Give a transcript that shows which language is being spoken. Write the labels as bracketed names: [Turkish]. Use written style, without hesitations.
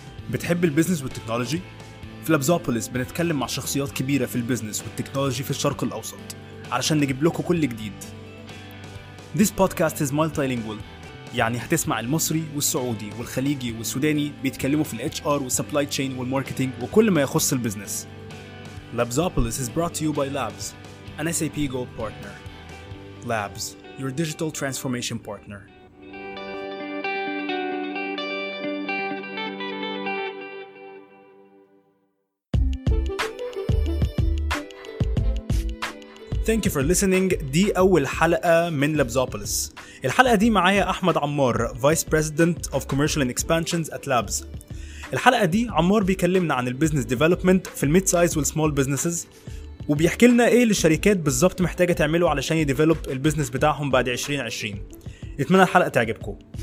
[Arabic] بتحب البيزنس والتكنولوجي؟ في لابزوبوليس بنتكلم مع شخصيات كبيرة في البيزنس والتكنولوجي في الشرق الأوسط علشان نجيب لكم كل جديد. [English] This podcast is multilingual، [Arabic] يعني هتسمع المصري والسعودي والخليجي والسوداني بيتكلموا في الHR والسبلاي تشين والماركتينج وكل ما يخص البيزنس. [English] لابزوبوليس is brought to you by Labs, an SAP Go partner. Labs, your digital transformation partner. Thank you for listening. [Arabic] دي أول حلقة من لابزوبوليس. الحلقة دي معايا [English] أحمد عمار, Vice President of Commercial and Expansions at Labs. [Arabic] الحلقة دي عمار بيكلمنا عن البيزنس ديفلوبمنت في الميد سايز والسمول بيزنسز, وبيحكي لنا ايه الشركات بالظبط محتاجة تعمله علشان يديفلوب البيزنس بتاعهم بعد 2020. اتمنى الحلقة تعجبكم.